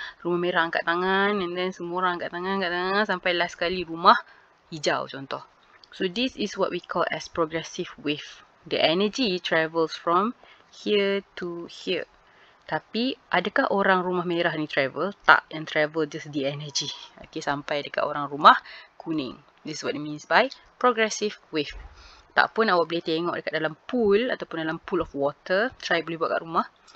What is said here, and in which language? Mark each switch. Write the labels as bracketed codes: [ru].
[ms] Rumah merah angkat tangan and then semua orang angkat tangan sampai last sekali rumah hijau contoh. [en] So this is what we call as progressive wave. The energy travels from here to here. [ms] Tapi adakah orang rumah merah ni travel? Tak, yang travel just the energy. Okay, sampai dekat orang rumah kuning. [en] This is what it means by progressive wave. [ms] Tak pun awak boleh tengok dekat dalam pool ataupun dalam pool of water. Try boleh buat kat rumah.